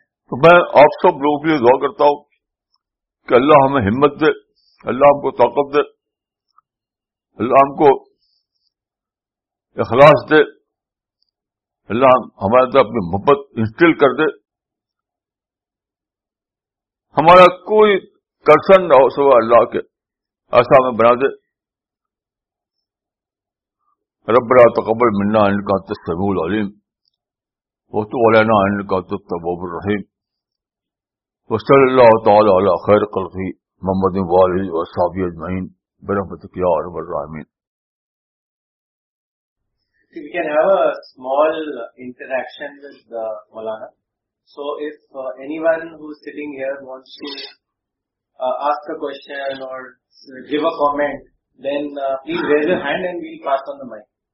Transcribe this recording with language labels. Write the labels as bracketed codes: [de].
[ur] تو میں آپ سب لوگوں کے لیے دعا کرتا ہوں کہ اللہ ہمیں ہمت دے, اللہ ہم کو طاقت دے, اللہ ہم کو اخلاص دے, اللہ ہمارے اندر اپنی محبت انسٹل کر دے, ہمارا کوئی کرشن نہ ہو سوا اللہ کے, ایسا ہمیں بنا دے. [ar] رب لا تقبل منا انك انت السميع العليم وتب علينا انك انت التواب الرحيم وصلى الله تعالى على خير خلقه محمد واله وصحبه اجمعين برحمتك يا رب العالمين. [en] If we can have a small interaction with the Maulana. So if anyone who is sitting here wants to ask a question or give a comment, then please raise your hand and we'll pass on the mic.